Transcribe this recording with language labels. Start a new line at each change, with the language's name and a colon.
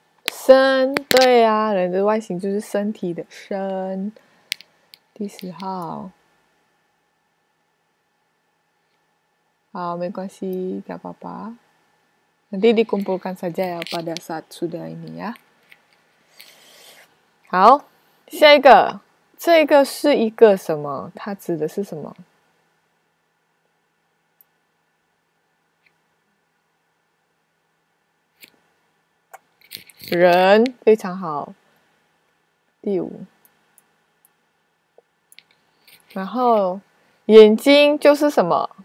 Chinese: 身，对啊，人的外形就是身体的身。第十号，好，没关系，
Indonesian: gak apa-apa。 Nanti dikumpulkan saja ya pada saat sudah ini ya。
Chinese: 好，下一个，这个是一个什么？它指的是什么？人，非常好。第五，然后眼睛就是什么？